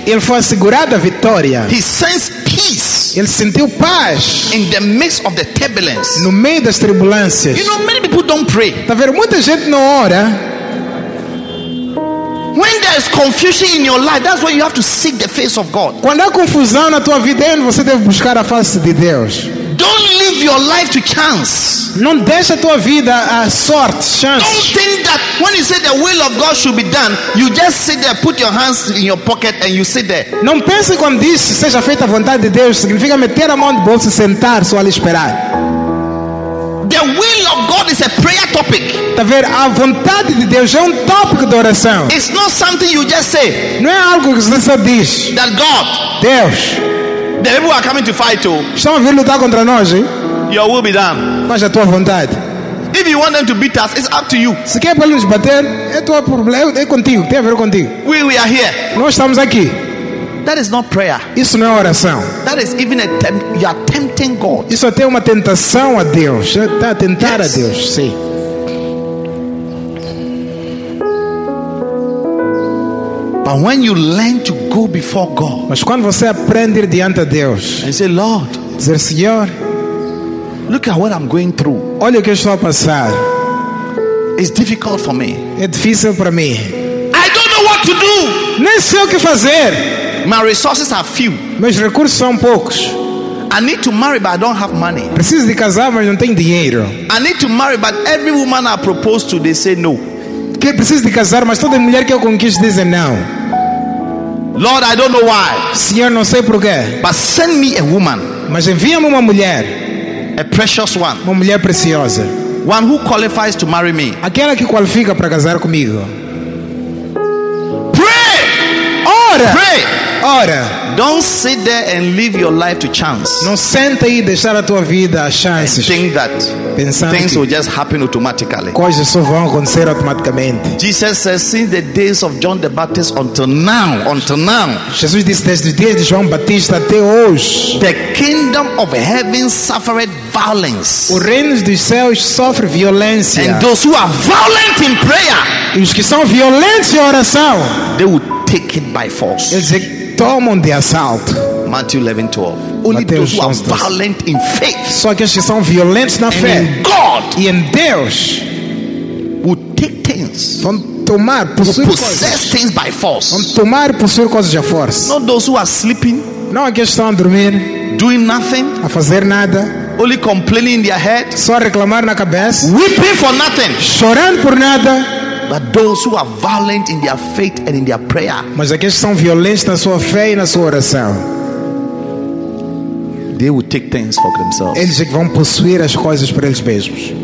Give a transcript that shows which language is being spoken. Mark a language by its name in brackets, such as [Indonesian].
[Portuguese] ele foi assegurado a vitória. [English] He sensed peace, [Portuguese] ele sentiu paz. [English] In the midst of the turbulence, [Portuguese] no meio das turbulências. [English] You know, many people don't pray. [Portuguese] Tá vendo? Muita gente não ora. [English] When there is confusion in your life, that's when you have to seek the face of God. [Portuguese] Quando há confusão na tua vida, você deve buscar a face de Deus. [English] Don't leave your life to chance. [Portuguese] Não deixa tua vida à sorte, chance. [English] Don't think that when you say the will of God should be done, you just sit there, put your hands in your pocket and you sit there. [Portuguese] Não pense quando diz seja feita a vontade de Deus, significa meter a mão no bolso e sentar só ali esperar. [English] The will of God is a prayer topic. [Portuguese] Tá ver, a vontade de Deus é tópico de oração. [English] It's not something you just say. [Portuguese] Não é algo que você só diz. [English] That God, [Portuguese] Deus, [English] the people are coming to fight you. [Portuguese] Estão a vir lutar contra nós, hein? [English] Your will be done. [Portuguese] Faça a tua vontade. [English] If you want them to beat us, it's up to you. [Portuguese] Se quer para nos bater, é teu problema, é contigo, tem a ver contigo. [English] We are here. [Portuguese] Nós estamos aqui. [English] That is not prayer. [Portuguese] Isso não é oração. [English] That is even a you are tempting God. [Portuguese] Isso até é uma tentação a Deus. Está a tentar, [English] yes, [Portuguese] a Deus, sim. [English] And when you learn to go before God, [Portuguese] mas quando você aprende diante de Deus, [English] and say, Lord, [Portuguese] dizer, Senhor, [English] look at what I'm going through. [Portuguese] Olha o que eu estou a passar. [English] It's difficult for me. [Portuguese] É difícil para mim. [English] I don't know what to do. [Portuguese] Nem sei o que fazer. [English] My resources are few. [Portuguese] Meus recursos são poucos. [English] I need to marry, but I don't have money. [Portuguese] Preciso de casar, mas não tenho dinheiro. [English] I need to marry, but every woman I propose to, they say no. [Portuguese] Que preciso de casar, mas toda mulher que eu conquisto dizem não. [English] Lord, I don't know why. [Portuguese] Senhor, não sei porquê. [English] But send me a woman. [Portuguese] Mas envia-me uma mulher. [English] A precious one. [Portuguese] Uma mulher preciosa. [English] One who qualifies to marry me. [Portuguese] Aquela que qualifica para casar comigo. [English] Pray. [Portuguese] Ora. [English] Pray. [Portuguese] Ora. [English] Don't sit there and leave your life to chance. [Portuguese] Não senta aí e deixar a tua vida a chances. [English] Think that. [Portuguese] Pensando [English] things will just happen automatically. [Portuguese] Coisas só vão acontecer automaticamente. [English] Jesus says, since the days of John the Baptist until now. [Portuguese] Jesus disse desde os dias de João Batista até hoje. [English] The kingdom of heaven suffered violence. [Portuguese] O reino dos céus sofre violência. [English] And those who are violent in prayer, [Portuguese] e os que são violentos em oração, [English] they will take it by force. [Portuguese] Eles tomam de assalto. [English] Matthew 11:12. Only those who are violent in faith, [Portuguese] só aqueles que são violentos na fé, [English] in God, [Portuguese] e em Deus, [English] will take things, [Portuguese] vão tomar, possuir [English] possess [Portuguese] coisas, [English] things by force, [Portuguese] vão tomar, possuir coisas de força. [English] Not those who are sleeping, [Portuguese] não aqueles que estão a dormir, [English] doing nothing, [Portuguese] a fazer nada, [English] only complaining in their head, [Portuguese] só a reclamar na cabeça, [English] weeping for nothing, [Portuguese] chorando por nada. [English] But those who are violent in their faith and in their prayer, [Portuguese] mas aqueles que são violentos na sua fé e na sua oração, [English] they will take things for themselves. [Portuguese] Eles é que vão possuir as coisas para eles mesmos.